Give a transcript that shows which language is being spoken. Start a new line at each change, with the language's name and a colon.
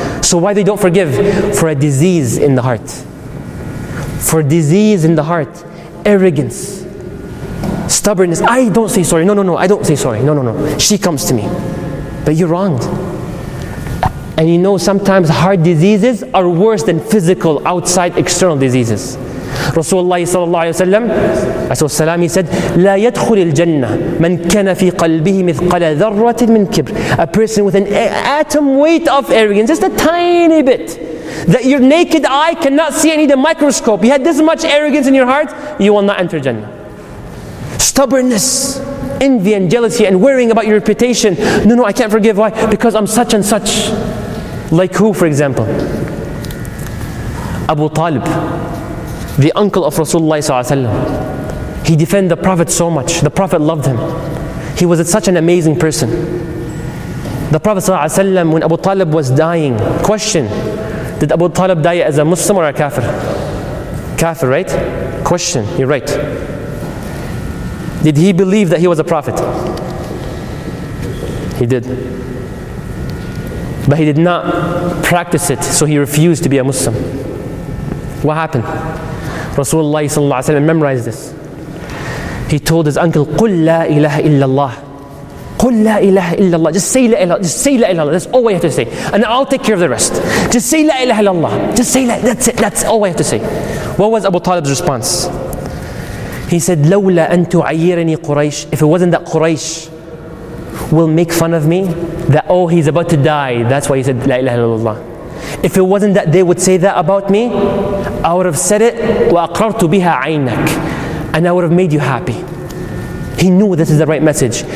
English: So why they don't forgive? For a disease in the heart. For a disease in the heart. Arrogance. Stubbornness. I don't say sorry. No. I don't say sorry. No. She comes to me. But you're wronged. And you know, sometimes heart diseases are worse than physical, outside, external diseases. Rasulullah sallallahu alayhi wa sallam, he said,
Arabic: لا يدخل الجنة من كان في قلبه مثقل ذرة من كبر.
English: A person with an atom weight of arrogance, just a tiny bit, that your naked eye cannot see, I need a microscope. You had this much arrogance in your heart, you will not enter Jannah. Stubbornness. Envy and jealousy and worrying about your reputation. No, I can't forgive. Why? Because I'm such and such. Like who, for example? Abu Talib, the uncle of Rasulullah. He defended the Prophet so much. The Prophet loved him. He was such an amazing person. The Prophet, when Abu Talib was dying, question, did Abu Talib die as a Muslim or a kafir? Kafir, right? Question, you're right. Did he believe that he was a prophet? He did. But he did not practice it, so he refused to be a Muslim. What happened? Rasulullah sallallahu alaihi wasallam memorized this. He told his uncle,
Arabic: قُلْ لَا إِلَهَ إِلَّا اللَّهِ قُلْ لَا إِلَهَ إِلَّا اللَّهِ.
English: Just say
Arabic: لا إله,
English: just say
Arabic: لا إله الله.
English: That's all I have to say. And I'll take care of the rest. Just say
Arabic: لا إله إلا الله.
English: Just say that. That's it. That's all I have to say. What was Abu Talib's response? He said,
Arabic: لولا أن تعيرني قريش.
English: If it wasn't that Quraysh will make fun of me, that, oh, he's about to die. That's why he said,
Arabic: لا إله إلا الله.
English: If it wasn't that they would say that about me, I would have said it,
Arabic: وأقررت بها عينك.
English: And I would have made you happy. He knew this is the right message.